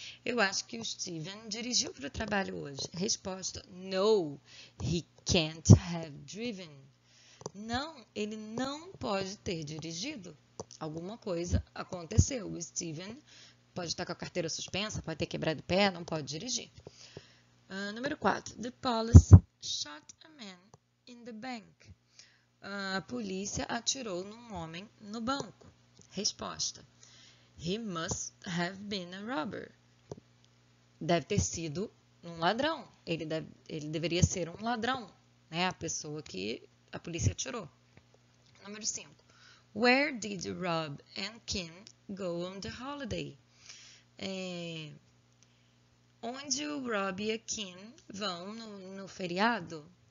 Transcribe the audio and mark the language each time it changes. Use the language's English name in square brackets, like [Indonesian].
[Portuguese] Eu acho que o Steven dirigiu para o trabalho hoje. [English] Resposta, no, he can't have driven. [Portuguese] Não, ele não pode ter dirigido. Alguma coisa aconteceu. O Steven pode estar com a carteira suspensa, pode ter quebrado o pé, não pode dirigir. Número 4. [English] The police shot a man in the bank. [Portuguese] A polícia atirou num homem no banco. Resposta. [English] He must have been a robber. [Portuguese] Deve ter sido um ladrão. Ele deveria ser um ladrão, né? A pessoa que a polícia atirou. Número 5. [English] Where did Rob and Kim go on the holiday? [Portuguese] Onde o Rob e a Kim vão no feriado?